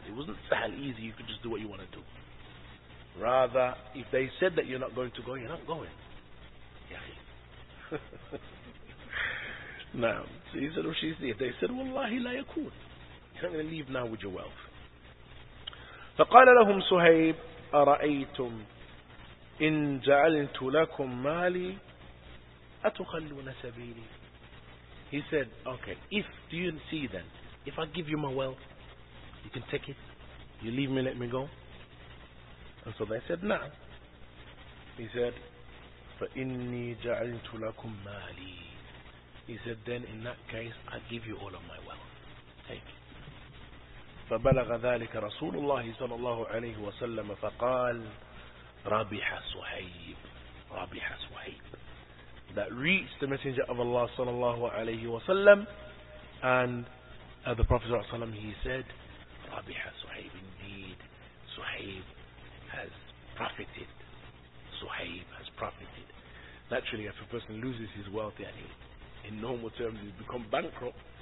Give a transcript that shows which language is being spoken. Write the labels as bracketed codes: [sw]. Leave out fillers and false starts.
[en] It wasn't sahal easy, you could just do what you want to do. Rather, if they said that you're not going to go, you're not going. Yahi. Now, so he said, they said, wallahi la yakun. You're not going to leave now with your wealth. [ar] فقال لهم سهيب أرأيتم إن جعلت لكم مالي أتخلون سبيلي. [en] He said, okay, if do you see then, if I give you my wealth, you can take it, you leave me, let me go. And so they said, nah. [ar] He said, فإني جعلت لكم مالي. [en] He said, then in that case, I give you all of my wealth. Take it. [ar] فبلغ ذلك رسول الله صلى الله عليه وسلم فقال ربح صهيب ربح صهيب. [en] That reached the messenger of Allah صلى الله عليه وسلم, and the Prophet صلى الله عليه وسلم, he said ربح صهيب. Indeed, صهيب has profited. صهيب has profited. Naturally, if a person loses his wealth, يعني, in normal terms, he's become bankrupt.